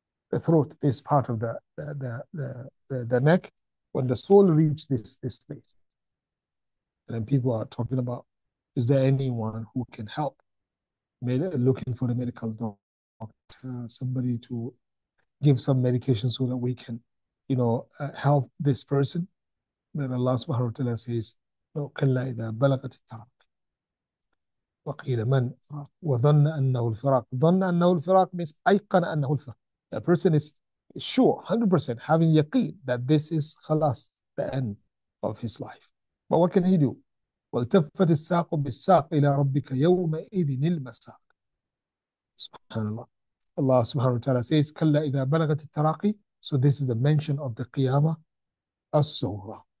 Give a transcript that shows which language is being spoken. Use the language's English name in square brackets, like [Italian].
[English] The throat, this part of the neck, when the soul reaches this place. And then people are talking about, is there anyone who can help? Looking for the medical doctor, somebody to give some medication so that we can, help this person. [Arabic] Then Allah subhanahu wa ta'ala says, no, كَلَّا إِذَا بَلَغَتِ التَّرَاقِ وَقِيلَ مَنْ وَظَنَّ أَنَّهُ الْفِرَاقِ. ظَنَّ أَنَّهُ الْفِرَاقِ means أَيْقَنَ أَنَّهُ الْفِرَاقِ. [English] A person is sure, 100%, having yaqeen that this is khalas, the end of his life. [Arabic] But what can he do? وَالْتَفَّتِ السَّاقُ بِالسَّاقِ إِلَىٰ رَبِّكَ يَوْمَئِذٍ الْمَسَّاقِ. SubhanAllah. [English] Allah subhanahu wa ta'ala says, كَلَّا إِذَا بَلَغَتِ التَّرَاقِي. So this is the mention of the qiyamah as-sughra.